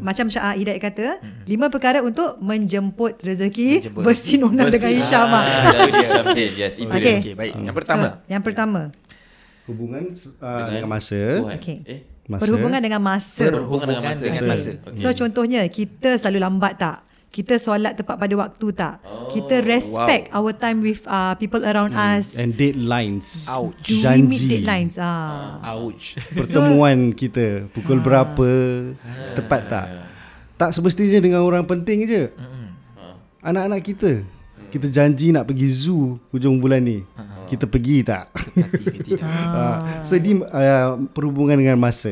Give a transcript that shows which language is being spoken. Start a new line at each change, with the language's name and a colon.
Malay: Macam Syah Idai kata, 5 perkara untuk menjemput rezeki versi Nona dengan Isyama. Okey, baik. Yang pertama. Yang pertama, hubungan dengan masa. Perhubungan dengan masa. Perhubungan dengan masa. So contohnya, kita selalu lambat tak? Kita solat tepat pada waktu tak?
English: Kita respect our time with people around us. And deadlines. Ouch. Do
Malay: janji.
English: We meet deadlines? Ouch.
Malay: Pertemuan kita pukul berapa? Tepat tak? Tak semestinya dengan orang penting je. Anak-anak kita. Kita janji nak pergi zoo hujung bulan ni. Kita pergi tak? Tidak. So ini perhubungan dengan masa.